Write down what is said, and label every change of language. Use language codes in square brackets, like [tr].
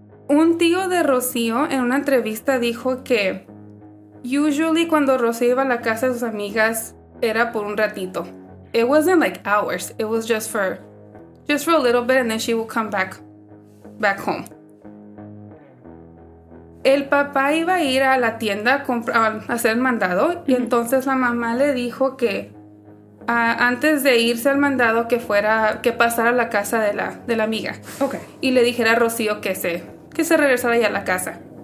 [es] Un tío de Rocío en una entrevista dijo que [en] Usually, [es] cuando Rocío iba a la casa de sus amigas, era por un ratito. [en] It wasn't like hours. It was just for a little bit, and then she would come back home. [es] El papá iba a ir a la tienda a hacer mandado, mm-hmm. y entonces la mamá le dijo que antes de irse al mandado, que pasara a la casa de la amiga. [en] Okay. [es] Y le dijera a Rocío que se regresara ya a la casa.